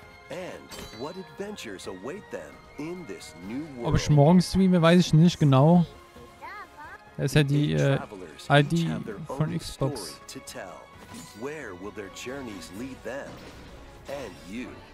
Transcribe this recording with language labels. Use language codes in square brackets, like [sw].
[en] And what adventures await them in this new world? [de] Ob ich morgen streame, weiß ich nicht genau. Das ist ja die ID von Xbox. [en] Where will their journeys lead them and you?